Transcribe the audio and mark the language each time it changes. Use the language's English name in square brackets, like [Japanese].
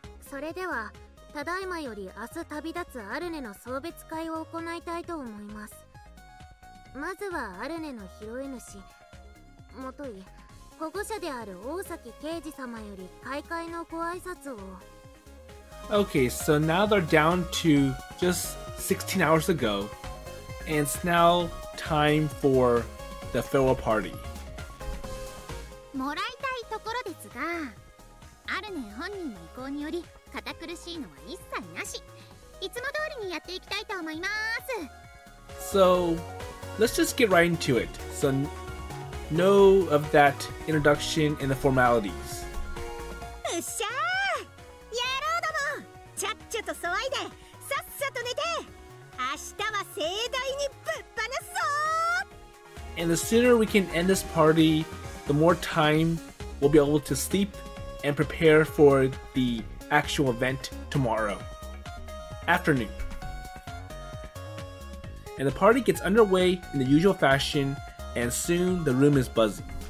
[Japanese] So, ただいまより明日旅立つアルネの送別会を行いたいと思います。まずはアルネの拾い主もとい保護者である大崎啓司様より開会のご挨拶を。 [English] Okay, so now they're down to just 16 hours to go, and it's now time for the farewell party. [Japanese] もらいたいところですが、アルネ本人の意向により堅苦しいのは一切なし。いつも通りにやっていきたいと思います。 [English] So, let's just get right into it. So, no of that introduction and the formalities. [Japanese] うっしゃー！やろうども！ちゃっちゃと騒いで、さっさと寝て！明日は盛大にぶっ放すぞー！ [English] And the sooner we can end this party, the more time we'll be able to sleep and prepare for theactual event tomorrow afternoon. And the party gets underway in the usual fashion, and soon the room is buzzing.